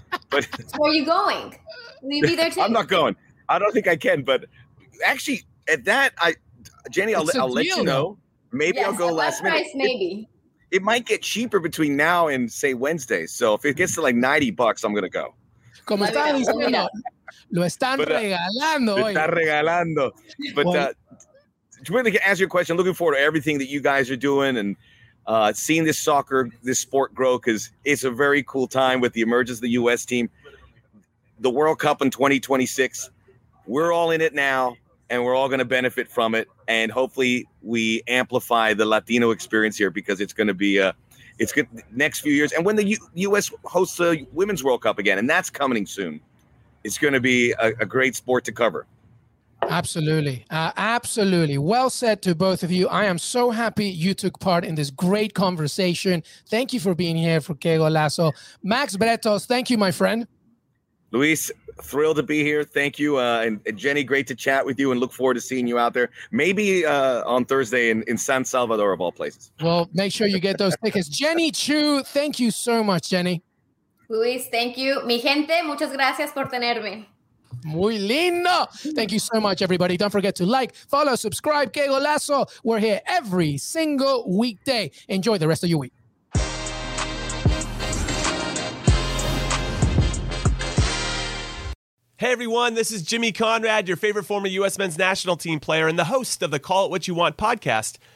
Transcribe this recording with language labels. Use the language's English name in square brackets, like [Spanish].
[English] But so are you going? Will you be there too? I'm not going. I don't think I can. But actually, at that, Jenny, I'll let you know. Maybe yes, I'll go last price, minute. Maybe. It might get cheaper between now and, say, Wednesday. So if it gets to like $90, I'm going to go. [Spanish] Como está diciendo, lo están regalando. Lo están regalando. [English] But well, to answer your question, looking forward to everything that you guys are doing and seeing this soccer, this sport grow, because it's a very cool time with the emergence of the U.S. team. The World Cup in 2026, we're all in it now, and we're all going to benefit from it. And hopefully we amplify the Latino experience here because it's going to be it's good next few years. And when the U.S. hosts the Women's World Cup again, and that's coming soon, it's going to be a great sport to cover. Absolutely. Absolutely. Well said to both of you. I am so happy you took part in this great conversation. Thank you for being here for Qué Golazo. Max Bretos, thank you, my friend. Luis, thrilled to be here. Thank you. And Jenny, great to chat with you and look forward to seeing you out there. Maybe on Thursday in San Salvador, of all places. Well, make sure you get those tickets. Jenny Chu, thank you so much, Jenny. Luis, thank you. [Spanish] Mi gente, muchas gracias por tenerme. Muy lindo. [English] Thank you so much, everybody. Don't forget to like, follow, subscribe. Qué Golazo. We're here every single weekday. Enjoy the rest of your week. Hey everyone, this is Jimmy Conrad, your favorite former U.S. men's national team player and the host of the Call It What You Want podcast.